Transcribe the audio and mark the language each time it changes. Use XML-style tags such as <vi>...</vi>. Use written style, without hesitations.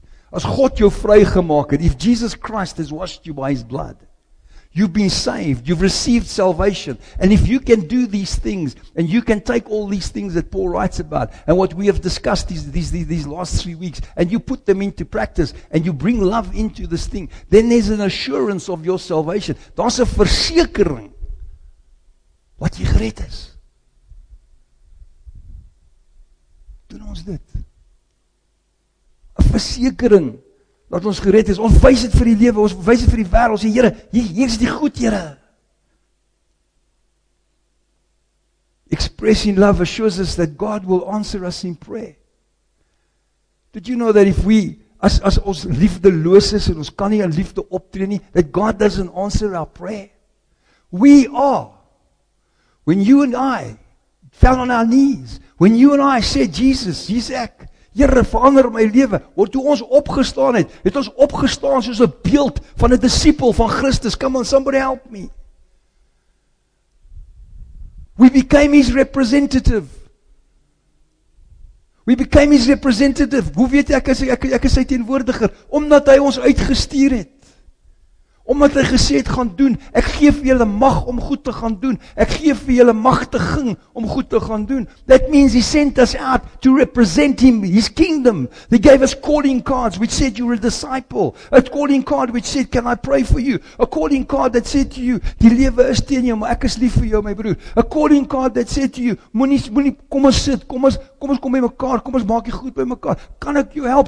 <af>As God jou vrygemaak het,</af> <en>if Jesus Christ has washed you by His blood, you've been saved, you've received salvation, and if you can do these things, and you can take all these things that Paul writes about, and what we have discussed these last 3 weeks, and you put them into practice, and you bring love into this thing, then there's an assurance of your salvation.</en> <af>Daar's 'n versekering wat jy gered is. Doen ons dit. Versekering dat ons gered is. Ons wys dit vir die lewe, ons wys dit vir die wêreld. Ons sê, Here, hier is die goed, Here.</af> <en>Expressing love assures us that God will answer us in prayer. Did you know that if we as</en> <af>ons liefdeloos is en ons kan nie in liefde optree nie,</af> <en>that God doesn't answer our prayer. We are when you and I fell on our knees, when you and I said Jesus, Jesus,</en> <af>Here, verander my lewe. Want toe ons opgestaan het, het ons opgestaan soos 'n beeld van 'n disipel van Christus.</af> <en>Come on, somebody help me. We became His representative. We became His representative.</en> <af>Hoe weet ek as ek is sy teenwoordiger? Omdat hy ons uitgestuur het. Omdat hy gesê het, gaan doen. Ek gee vir julle mag om goed te gaan doen. Ek gee vir julle magtiging om goed te gaan doen.</af> <en>That means He sent us out to represent Him, His kingdom. He gave us calling cards which said you're a disciple. A calling card which said, can I pray for you? A calling card that said to you,</en> <af>die lewe is teen jou, maar ek is lief vir jou, my broer.</af> <en>A calling card that said to you,</en> <af>moenie, kom ons sit, kom ons kom by mekaar, kom ons maak jy goed by mekaar. Kan ek jou help?</af>